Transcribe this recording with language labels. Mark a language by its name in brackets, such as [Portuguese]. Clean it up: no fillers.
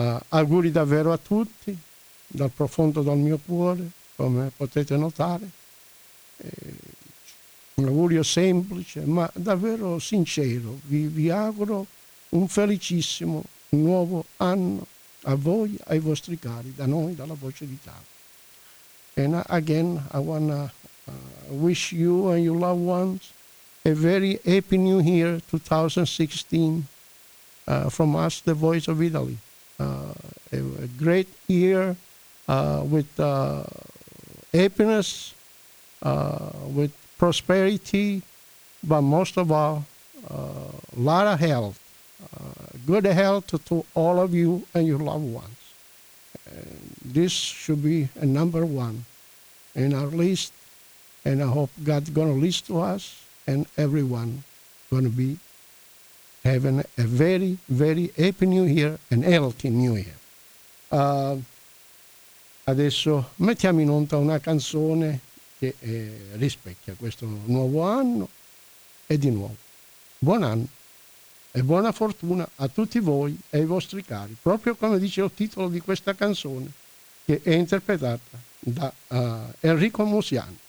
[Italian] Auguri davvero a tutti, dal profondo del mio cuore, come potete notare, un augurio semplice, ma davvero sincero. Vi auguro un felicissimo nuovo anno a voi, ai vostri cari, da noi, dalla Voce d'Italia. [English] And again, I wanna wish you and your loved ones a very happy new year 2016 from us, the Voice of Italy. A great year with happiness, with prosperity, but most of all, a lot of health. Good health to all of you and your loved ones. This should be a number one in our list, and I hope God's going to listen to us, and everyone going to be having a very, very happy new year and healthy new year. [Italian] Adesso mettiamo in onda una canzone che rispecchia questo nuovo anno, e di nuovo buon anno e buona fortuna a tutti voi e ai vostri cari, proprio come dice il titolo di questa canzone, che è interpretata da Enrico Musiano.